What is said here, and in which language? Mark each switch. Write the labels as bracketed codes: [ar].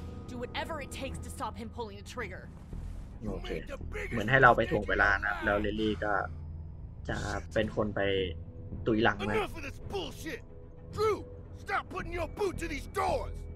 [en] Do whatever it takes to stop him pulling the trigger. [th] โอเคเหมือนให้เราไปถ่วงเวลานะแล้วลิลลี่ก็จะเป็นคนไปตุยหลังนะ [en] Enough of this bullshit. Drew, stop putting your boot to these doors.